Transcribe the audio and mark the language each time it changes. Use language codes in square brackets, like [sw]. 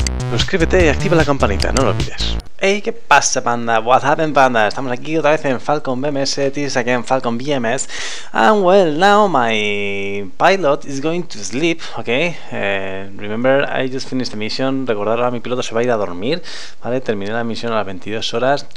[es] suscríbete y activa la campanita, no lo olvides. Hey, ¿qué pasa, banda? [en] What happened, [es] banda? Estamos aquí otra vez en Falcon BMS, [en] tis again [es] Falcon BMS. [en] And well, now my pilot is going to sleep, ok? Remember, I just finished the mission. [es] Recordar, ahora mi piloto se va a ir a dormir, ¿vale? Terminé la misión a las 22 horas.